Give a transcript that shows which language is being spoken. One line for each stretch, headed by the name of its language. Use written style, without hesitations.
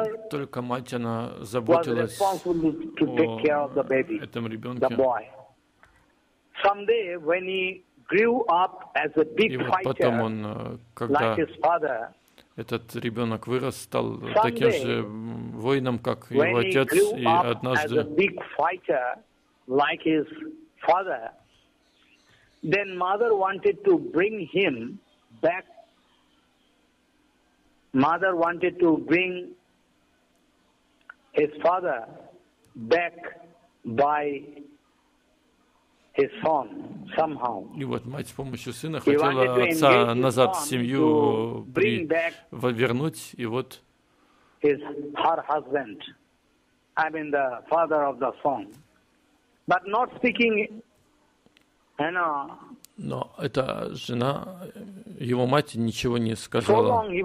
Russian: Только мать, она заботилась о этом ребенке.
English: The boy. Someday, when he grew up as a big fighter,
Russian: и вот потом он, когда
English: like his father,
Russian: этот ребенок вырос, стал таким же воином, как его отец, и однажды
English: as a big fighter, like his father. Then mother wanted to bring him back. Mother wanted to bring his father back by his son somehow.
Russian: И вот мать с помощью сына хотела отца назад в семью вернуть, и вот
English: her husband, I mean the father of the son, but not speaking.
Russian: Но эта жена, его мать, ничего не сказала.